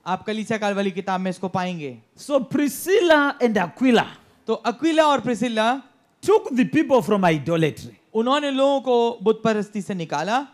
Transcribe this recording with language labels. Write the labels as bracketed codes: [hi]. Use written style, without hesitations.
[hi] आप कलीसिया काल वाली किताब में इसको पाएंगे. [en] So Priscilla and Aquila. [hi] तो अक्विला और Priscilla. [en] Took the people from idolatry. [hi] उन्होंने लोगों को बुतपरस्ती से निकाला.